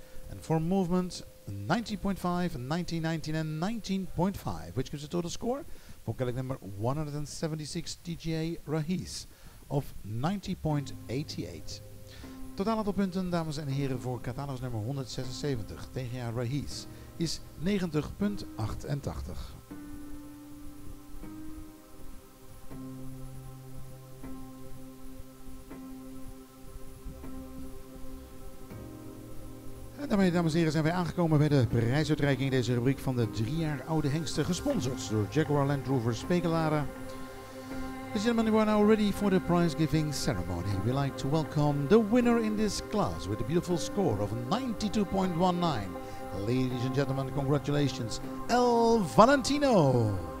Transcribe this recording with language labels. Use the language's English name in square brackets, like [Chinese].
[English] And for movement 19.5, 19, 19, and 19.5, which gives a total score for Gaelic number 176 DGA Rahis of 90.88. [Dutch] Totaal aantal punten, dames en heren, voor Catalans nummer 176 tegen jaar Rahis is 90.88. En daarmee, dames en heren, zijn wij aangekomen bij de prijsuitreiking in deze rubriek van de 3 jaar oude hengsten, gesponsord door Jaguar Land Rover Spekelaren. [English] The gentlemen, we are now ready for the prize giving ceremony. We like to welcome the winner in this class with a beautiful score of 92.19. Ladies and gentlemen, congratulations, El Valentino.